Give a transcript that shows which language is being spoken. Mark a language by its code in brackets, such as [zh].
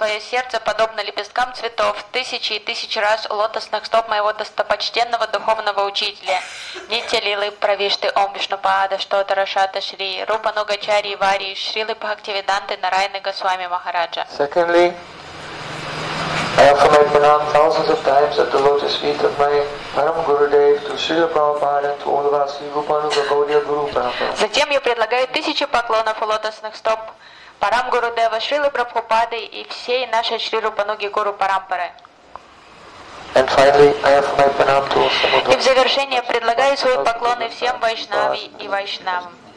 [ru] Сердце подобно лепесткам цветов, тысячи и тысячи раз у лотосных стоп моего достопочтенного духовного учителя. [sa] Нити лилы правишты ом вишнупада, что тарашата шри, рупа ногачари и вари, шрилы бхактивиданты на райны госвами Махараджа. [en] Secondly, I offer my pranam thousands of times at the lotus feet of my Param Gurudev, to Srila Prabhupada, to all of us, Rupanuga Gaudiya Guru Parampara. [ru] Затем я предлагаю тысячи поклонов у лотосных стоп Парам Гурудева, Шрилы Прабхупады и всей нашей Шри Рупануги Гуру Парампары. [en] And finally, I offer my pranam to Samudra. [ru] И в завершение предлагаю свои поклоны всем Вайшнави и Вайшнавам.